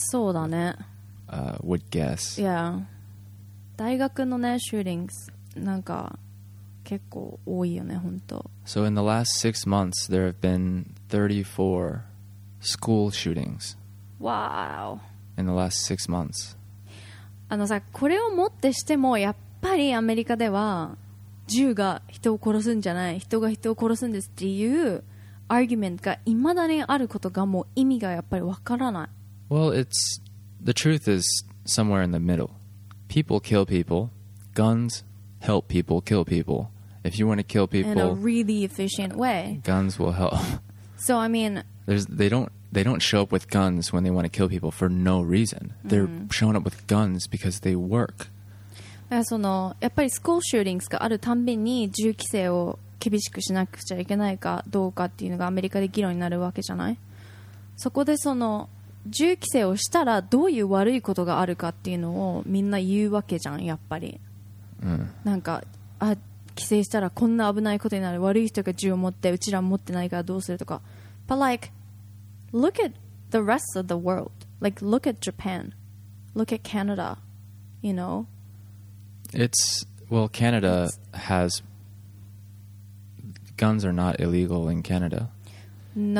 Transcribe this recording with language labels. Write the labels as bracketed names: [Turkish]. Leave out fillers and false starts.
[English] sold on it would guess. Yeah. [Japanese] 大学のね、shootings, なんか結構多いよね、本当。 [English] So in the last 6 months, there have been 34 school shootings. Wow. In the last 6 months. [Japanese] あのさ、これをもってしてもやっぱりアメリカでは銃が人を殺すんじゃない、人が人を殺すんですっていうアーギュメントが未だにあることがもう意味がやっぱりわからない。 [English] Well, it's the truth is somewhere in the middle. People kill people. Guns. Help people kill people. If you want to kill people in a really efficient way, guns will help. So I mean, they don't show up with guns when they want to kill people for no reason. They're showing up with guns because they work. [Japanese] そのやっぱりスクールショーティングがあるたんびに銃規制を厳しくしなくちゃいけないかどうかっていうのがアメリカで議論になるわけじゃない。そこでその銃規制をしたらどういう悪いことがあるかっていうのをみんな言うわけじゃん、やっぱり。なんか、あ、規制したらこんな危ないことになる、悪い人が銃を持ってうちら持ってないからどうするとか。 [English] But like, look at the rest of the world. Like, look at Japan. Look at Canada. You know, it's, well, Canada has guns are not illegal in Canada. No.